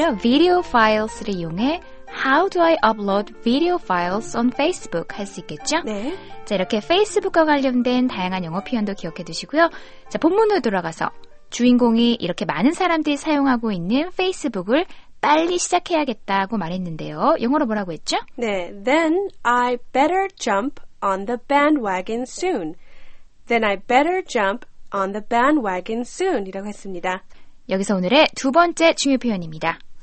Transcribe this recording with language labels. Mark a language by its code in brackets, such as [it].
[ko] 그렇죠? [en] Video files를 [ko] 이용해 [en] How do I upload video files on Facebook? [ko] 할 수 있겠죠? 네. 자, 이렇게 페이스북과 관련된 다양한 영어 표현도 기억해 두시고요. 자, 본문으로 돌아가서 주인공이 이렇게 많은 사람들이 사용하고 있는 페이스북을 빨리 시작해야겠다고 말했는데요. 영어로 뭐라고 했죠? 네. [en] Then I better jump on the bandwagon soon. Then I better jump on the bandwagon soon. [ko] 이라고 했습니다. 여기서 오늘의 두 번째 중요 표현입니다.